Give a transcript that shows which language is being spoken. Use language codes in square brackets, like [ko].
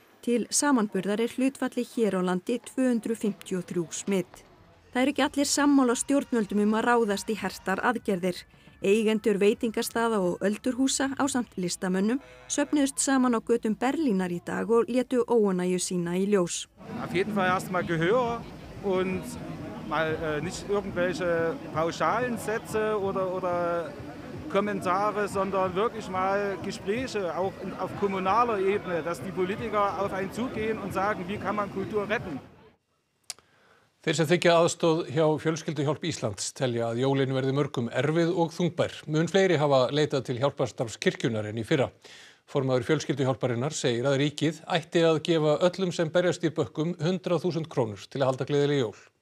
[is] Til samanburðar hlutfalli hér á landi 253 smit. Það eru ekki allir sammála stjórnvöldum að ráðast í hertar aðgerðir. Eigendur veitingastaða og öldurhúsa ásamt listamönnum söfnuðust saman á götum Berlínar í dag og létu óanægju sína í ljós. [de] Auf jeden Fall erst mal Gehör und mal nicht irgendwelche pauschalen Sätze oder Kommentare, sondern wirklich mal Gespräche auch auf kommunaler Ebene, dass die Politiker auf einen zugehen und sagen, wie kann man Kultur retten? [is] Þeir sem þykja aðstoð hjá Fjölskylduhjálp Íslands telja að jólin verði mörgum erfið og þungbær. Mun fleiri hafa leitað til hjálparstarfs kirkjunar en í fyrra. Formaður Fjölskylduhjálparinnar segir að ríkið ætti að gefa öllum sem berjast í bökkum 100.000 krónur til að halda gleðileg jól.